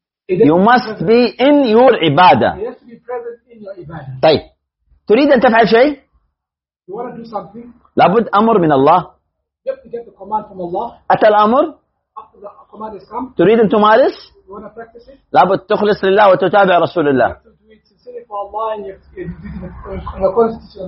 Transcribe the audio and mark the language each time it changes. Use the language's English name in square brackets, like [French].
[English] You must be in your عبادة. You must be present in your عبادة. [Arabic] طيب. تريد أن تفعل شيء؟ [English] You want to do something. [Arabic] لابد أمر من الله. [English] You have to get the command from Allah. [Arabic] أتى الأمر. [English] After the command has come. [Arabic] تريد أن تمارس. [English] You want to practice it. [Arabic] لابد تخلص لله وتتابع رسول الله. [English] You have to do it sincerely for Allah and you have to do it in the constitution of